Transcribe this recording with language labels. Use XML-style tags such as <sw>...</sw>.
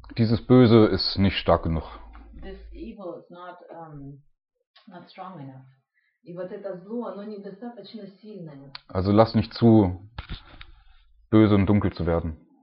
<de>Dieses Böse ist nicht stark genug.</de> <en>This evil is not strong enough.</en> <ru>И вот это зло, оно недостаточно сильное.</ru> <de>Also lass nicht zu, böse und dunkel zu werden.</de>